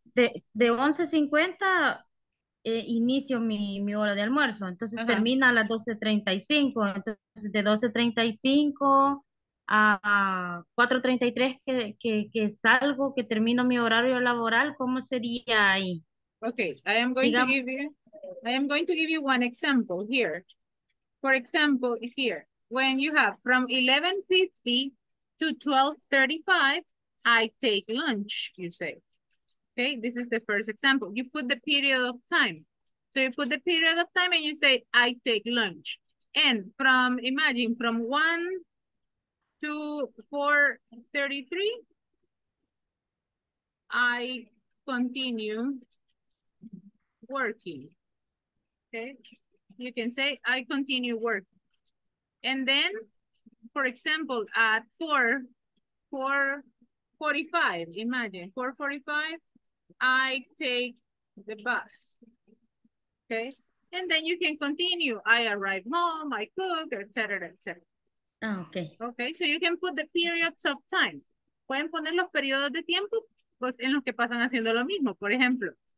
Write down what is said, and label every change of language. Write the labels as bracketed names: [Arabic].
[Spanish] De 11:50 inicio mi hora de almuerzo, entonces termina a las 12:35, entonces de 12:35 a 4:33 que salgo, que termino mi horario laboral, ¿cómo sería ahí? [English] Okay, I am going to give you one example here. For example, here, when you have from 11:50 to 12:35, I take lunch, you say. Okay, this is the first example. You put the period of time. So you put the period of time and you say, I take lunch. And from, imagine, from 1 to 4:33, I continue working. Okay, you can say I continue work. And then, for example, at 4:45, imagine 4:45, I take the bus. Okay, and then you can continue. I arrive home, I cook, etc., etc. Okay. Okay, so you can put the periods of time. [Spanish] Pueden poner los periodos de tiempo pues, en los que pasan haciendo lo mismo, por ejemplo.